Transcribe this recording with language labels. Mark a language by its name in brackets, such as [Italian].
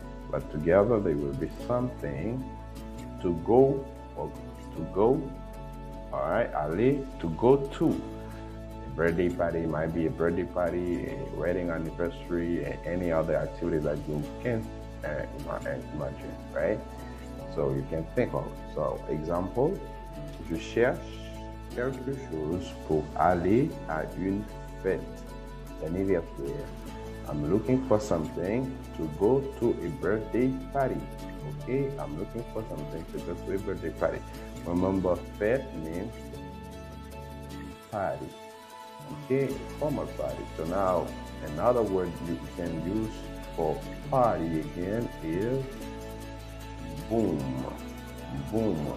[English] but together they will be something to go or to go. All right, aller, to go to. A birthday party might be a birthday party, a wedding anniversary, any other activity that you can imagine, right? So you can think of it. So example, [French] je cherche quelque chose pour aller à une fête anniversaire. [English] I'm looking for something to go to a birthday party. Okay, I'm looking for something to go to a birthday party. Remember, fête means party. Okay, formal party. So now, another word you can use for party again is boom. Boom.